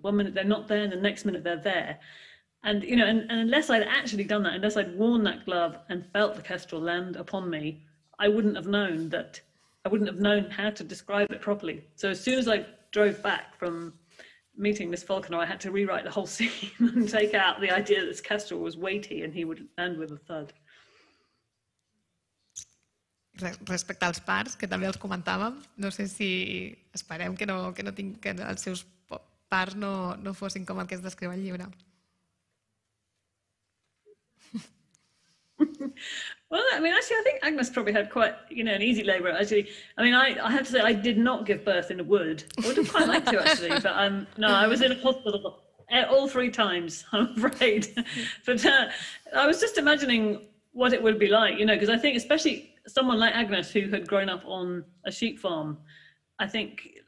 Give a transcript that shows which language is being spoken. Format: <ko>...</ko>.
<en>One minute they're not there and the next minute they're there. And, you know, and unless I'd actually done that, unless I'd worn that glove and felt the kestrel land upon me, I wouldn't have known how to describe it properly. So as soon as I drove back from meeting this falconer, I had to rewrite the whole scene and take out the idea that this kestrel was weighty and he would end with a thud.</en> <ca>Respecte als parts, que també els comentàvem, no sé si esperem que els seus parts no fossin com el que es descriu al llibre.</ca> <en>Well, I mean, actually, I think Agnes probably had quite, you know, an easy labor. Actually, I mean, I have to say, I did not give birth in a wood. I would have quite liked to, actually, but no, I was in a hospital all three times, I'm afraid. But I was just imagining what it would be like, you know, because I think especially someone like Agnes, who had grown up on a sheep farm, I think</en>